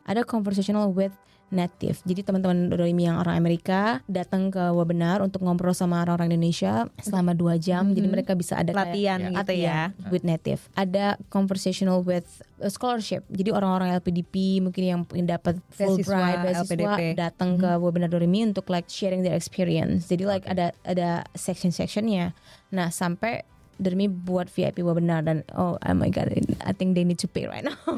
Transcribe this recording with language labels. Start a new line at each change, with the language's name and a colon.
Indonesian: Ada
English: conversational with native.
Indonesian: Jadi teman-teman Doremi yang orang Amerika datang ke webinar untuk ngobrol sama orang-orang Indonesia selama 2 jam. Jadi mereka bisa ada latihan gitu ya
English: with native.
Indonesian: Ada
English: conversational with scholarship.
Indonesian: Jadi orang-orang LPDP mungkin yang dapat full ride beasiswa datang ke webinar Doremi untuk
English: like sharing their experience.
Indonesian: Jadi like ada section-sectionnya. Nah, sampai Doremi buat VIP webinar dan
English: oh my god, I think they need to pay right now.